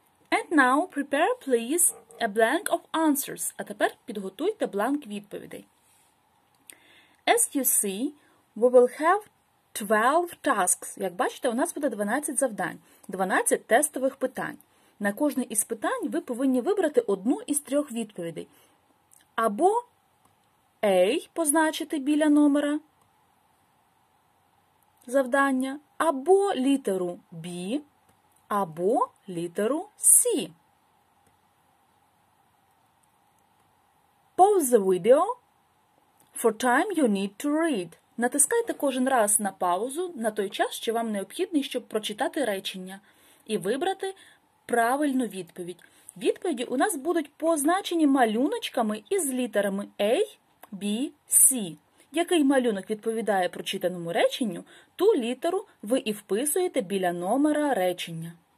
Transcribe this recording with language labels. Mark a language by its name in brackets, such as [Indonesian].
[English] And now prepare, please, a blank of answers. [Ukrainian] А тепер підготуйте бланк відповідей. [English] As you see, we will have 12 tasks. [Ukrainian] Як бачите, у нас буде 12 завдань, 12 тестових питань. На кожне із питань ви повинні вибрати одну із трьох відповідей. Або A позначити біля номера завдання, або літеру B, або літеру C. [English] Pause the video for time you need to read. [Ukrainian] Натискайте кожен раз на паузу на той час, що вам необхідний, щоб прочитати речення і вибрати правильну відповідь. Відповіді у нас будуть позначені малюночками із літерами A, B, C. Який малюнок відповідає прочитаному реченню, ту літеру ви і вписуєте біля номера речення.